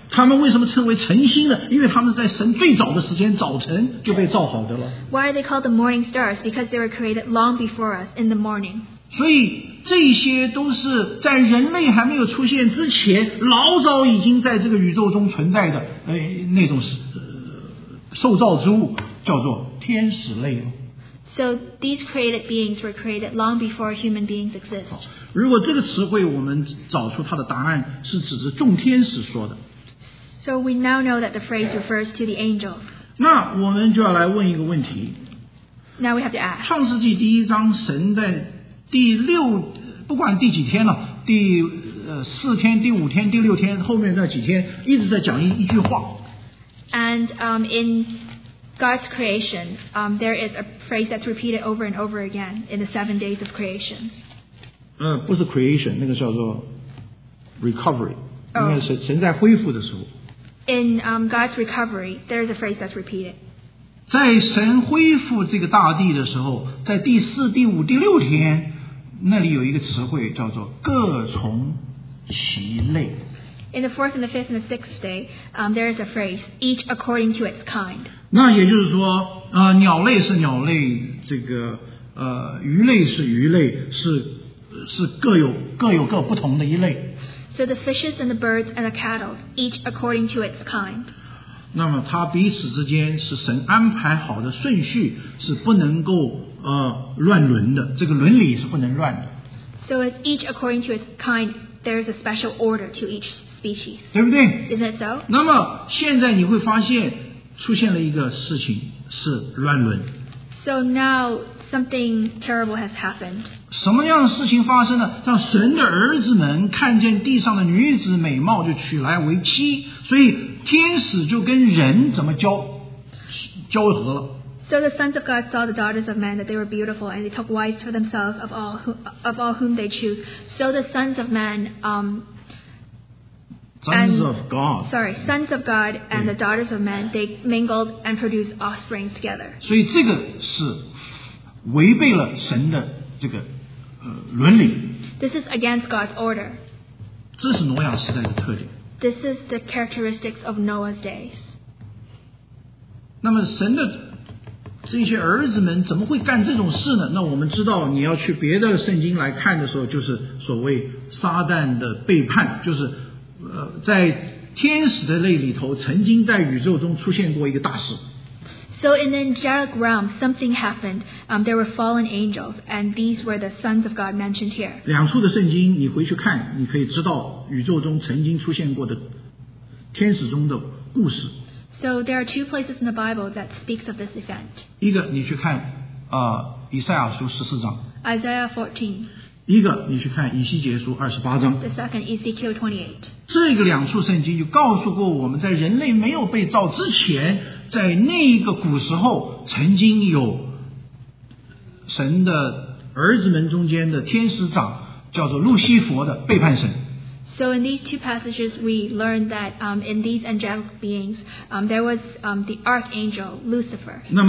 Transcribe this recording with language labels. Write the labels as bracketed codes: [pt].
[zh] 他们为什么称为晨星呢？因为他们在神最早的时间，早晨就被造好的了。 [en] Why are they called the morning stars? Because they were created long before us in the morning. [zh] 所以这些都是在人类还没有出现之前老早已经在这个宇宙中存在的那种受造之物叫做天使类了。 [en] So these created beings were created long before human beings exist. [zh] 如果这个词汇我们找出它的答案是指着众天使说的。 [en] So we now know that the phrase refers to the angel. [zh] 那我们就要来问一个问题。 [en] Now we have to ask. [zh] 创世纪第一章神在第六不管第几天了第四天第五天第六天后面那几天一直在讲一句话 [en] and in God's creation there is a phrase that's repeated over and over again in the seven days of creation [zh] 不是 creation 那个叫做 recovery 应该是神在恢复的时候 [en] in God's recovery there is a phrase that's repeated [zh] 在神恢复这个大地的时候在第四第五第六天那里有一个词汇叫做各从其类。 [en] In the fourth and the fifth and the sixth day, there is a phrase, each according to its kind. [zh] 那也就是说，鸟类是鸟类，这个鱼类是鱼类，是各有各不同的一类。 [en] So the fishes and the birds and the cattle, each according to its kind. [zh] 那么它彼此之间是神安排好的顺序，是不能够。乱伦的这个伦理是不能乱的 [en] So it's each according to its kind there is a special order to each species [zh] 对不对 [en] Isn't it so? [zh] 那么现在你会发现出现了一个事情是乱伦 [en] So now something terrible has happened [zh] 什么样的事情发生呢让神的儿子们看见地上的女子美貌就娶来为妻所以天使就跟人怎么交合了 [en] So the sons of God saw the daughters of men that they were beautiful and they took wives for themselves of all whom they choose. So the sons of men sons of God and the daughters of men they mingled and produced offspring together. [zh] 所以这个是违背了神的这个伦理。 [en] This is against God's order. [zh] 这是挪亚时代的特点。 [en] This is the characteristics of Noah's days. [zh] 那么神的这些儿子们怎么会干这种事呢？那我们知道，你要去别的圣经来看的时候，就是所谓撒旦的背叛，就是在天使的类里头，曾经在宇宙中出现过一个大使。 [en] So in the angelic realm, something happened. There were fallen angels, and these were the sons of God mentioned here. [zh] 两处的圣经, 你回去看, 你可以知道宇宙中曾经出现过的天使中的故事。 [en] So there are two places in the Bible that speaks of this event. [zh] 一个你去看, 以赛亚书14章, [en] Isaiah 14. [zh] 一个你去看以西结书28章, [en] the second, Ezekiel 28. [zh] 这个两处圣经就告诉过我们在人类没有被造之前, 在那一个古时候曾经有神的儿子们中间的天使长叫做路西佛的背叛神。 [en] So in these two passages, we learn that in these angelic beings, there was the archangel Lucifer.